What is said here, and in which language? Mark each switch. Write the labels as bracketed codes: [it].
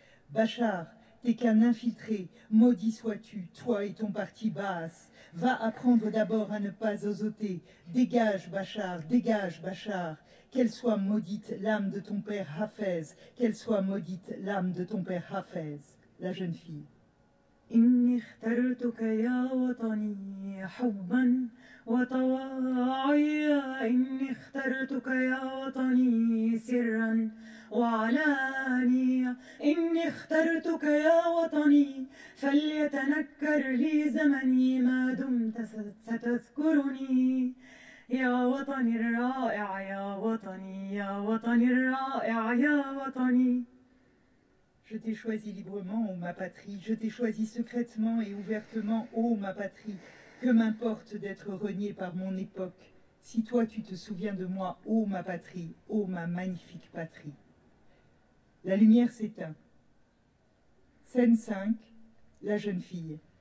[fr] Bachar, t'es qu'un infiltré, maudit sois-tu, toi et ton parti Baas. Va apprendre d'abord à ne pas osoter. Dégage Bachar, qu'elle soit maudite l'âme de ton père Hafez, qu'elle soit maudite l'âme de ton père Hafez. La jeune fille. [ar] إني اخترتك يا وطني حبا وتواعيا إني اخترتك يا وطني سرا وعلانيا إني اخترتك يا وطني فليتنكر لي زمني ما دمت ستذكرني يا وطني الرائع يا وطني يا وطني الرائع يا وطني. [fr] Je t'ai choisi librement, ô ma patrie. Je t'ai choisi secrètement et ouvertement, ô ma patrie. Que m'importe d'être renié par mon époque. Si toi, tu te souviens de moi, ô ma patrie, ô ma magnifique patrie. La lumière s'éteint. Scène 5, la jeune fille.